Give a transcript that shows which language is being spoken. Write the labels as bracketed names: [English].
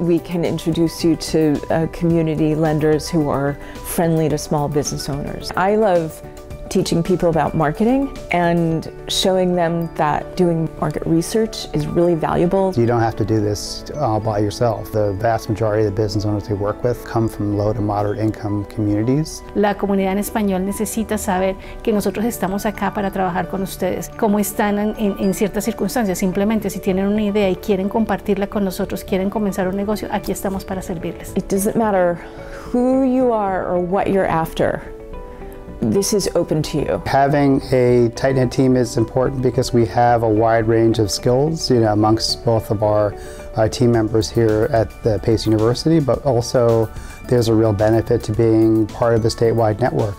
[English] We can introduce you to community lenders who are friendly to small business owners. I love teaching people about marketing and showing them that doing market research is really valuable. You don't have to do this all by yourself. The vast majority of the business owners we work with come from low to moderate income communities. [Spanish] La comunidad en español necesita saber que nosotros estamos acá para trabajar con ustedes. Cómo están en ciertas circunstancias. Simplemente si tienen una idea y quieren compartirla con nosotros, quieren comenzar un negocio, aquí estamos para servirles. [English] It doesn't matter who you are or what you're after. This is open to you. Having a tight-knit team is important because we have a wide range of skills, you know, amongst both of our team members here at the Pace University, but also there's a real benefit to being part of a statewide network.